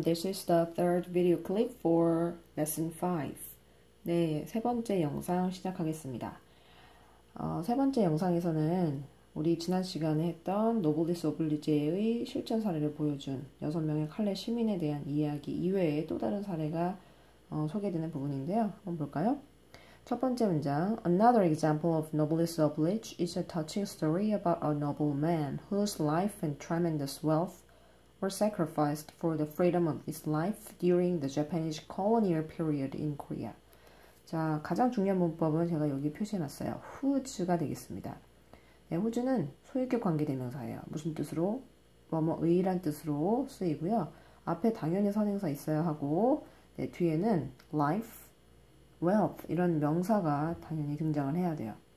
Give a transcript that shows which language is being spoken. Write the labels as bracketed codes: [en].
[en] This is the third video clip for lesson 5. [ko] 네, 세 번째 영상 시작하겠습니다. 세 번째 영상에서는 우리 지난 시간에 했던 노블리스 오블리제의 실전 사례를 보여준 6명의 칼레 시민에 대한 이야기 이외에 또 다른 사례가 소개되는 부분인데요. 한번 볼까요? 첫 번째 문장. [en] Another example of Noblesse Oblige is a touching story about a noble man whose life and tremendous wealth were sacrificed for the freedom of his life during the Japanese colonial period in Korea. [ko] 자, 가장 중요한 문법은 제가 여기 표시해놨어요. whose가 되겠습니다. 네, whose는 소유격 관계대명사예요. 무슨 뜻으로? 뭐뭐 의란 뜻으로 쓰이고요. 앞에 당연히 선행사 있어야 하고, 네, 뒤에는 life, wealth 이런 명사가 당연히 등장을 해야 돼요.